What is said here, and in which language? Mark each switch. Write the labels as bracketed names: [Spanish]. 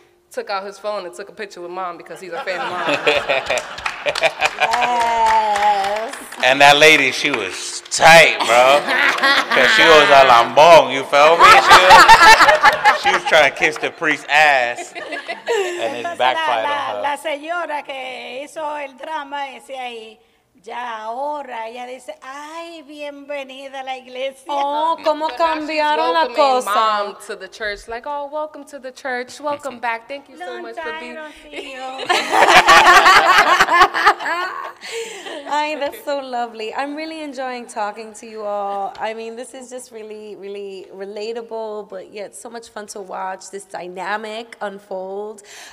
[English] Took out his phone and took a picture with mom because he's a fan of mom. Yes. And that lady, she was tight, bro. Because she was a lambong, you feel me? She was trying to kiss the priest's ass. And it backfired on her. [Spanish] La señora que hizo el drama ese ahí. Ya ahora ella dice, ay, bienvenida a la iglesia. Oh, cómo cambiaron la cosa. [English] Mom to the church, like, oh, welcome to the church. Welcome back. Thank you so much for being here. Ay, that's so lovely. I'm really enjoying talking to you all. I mean, this is just really, really relatable, but yet so much fun to watch this dynamic unfold.